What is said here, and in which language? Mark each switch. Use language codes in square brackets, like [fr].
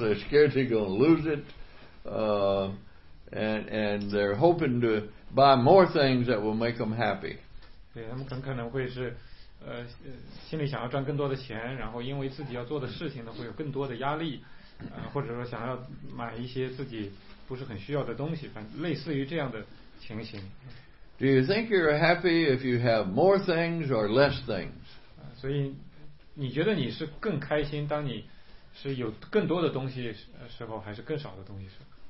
[en] They're scared they're going to lose it, and they're hoping to buy more things that will make them happy. [zh] 对，他们很可能会是心里想要赚更多的钱，然后因为自己要做的事情呢，会有更多的压力。或者说想要买一些自己不是很需要的东西，反类似于这样的情形。 [en] Do you think you're happy if you have more things or less things？ [zh] 所以你觉得你是更开心当你是有更多的东西时候，还是更少的东西时候？